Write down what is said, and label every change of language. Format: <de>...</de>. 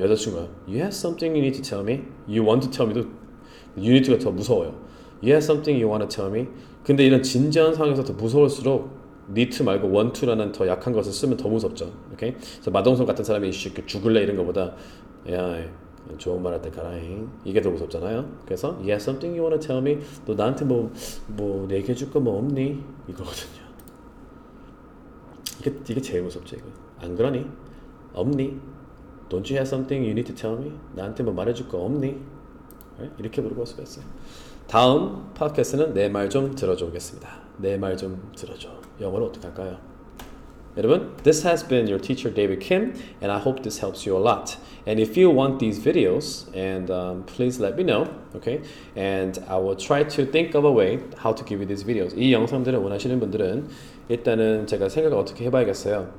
<ko>여자친구가</ko> <en>you have something you need to tell me? You want to tell me도 you need to가</en> <ko>더 무서워요.</ko> <en>You have something you want to tell me?</en> <ko>근데 이런 진지한 상황에서 더 무서울수록 니트 말고 원투라는 더 약한 것을 쓰면 더 무섭죠. 오케이? 그래서 마동석 같은 사람이 이렇게 죽을래 이런 것보다 야 좋은 말할 때 가라잉 이게 더 무섭잖아요. 그래서</ko> <en>you have something you wanna tell me?</en> <ko>너 나한테 뭐 얘기해 줄 거 뭐 없니? 이거거든요. 이게 제일 무섭죠. 이거 안 그러니? 없니?</ko> <en>Don't you have something you need to tell me?</en> <ko>나한테 뭐 말해줄 거 없니? 이렇게 물어볼 수가 있어요. 다음 팟캐스트는 내 말 좀 들어줘겠습니다. 내 말 좀 들어줘. 영어로 어떻게 할까요?</ko> <en>여러분, this has been your teacher David Kim, and I hope this helps you a lot. And if you want these videos, and please let me know, okay? And I will try to think of a way how to give you these videos.</en> <ko>이 영상들을 원하시는 분들은 일단은 제가 생각을 어떻게 해봐야겠어요.</ko>